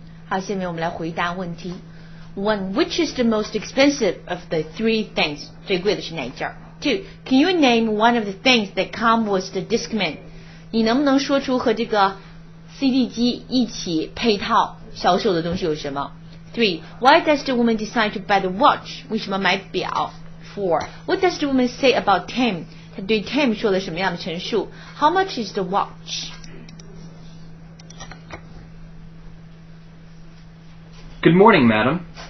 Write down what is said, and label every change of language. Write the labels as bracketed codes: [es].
[zh] Okay, 下面我们来回答问题。 [en] One, which is the most expensive of the three things? [zh] 最贵的是哪一件？ [en] Two, can you name one of the things that come with the Discman? [zh] 你能不能说出和这个 CD 机一起配套销售的东西有什么？ [en] Three, why does the woman decide to buy the watch? [zh] 为什么买表 [en] ?Four, what does the woman say about Tim? [zh] 她对 Tim 说了什么样的陈述 ? [en] How much is the watch? Good morning, madam.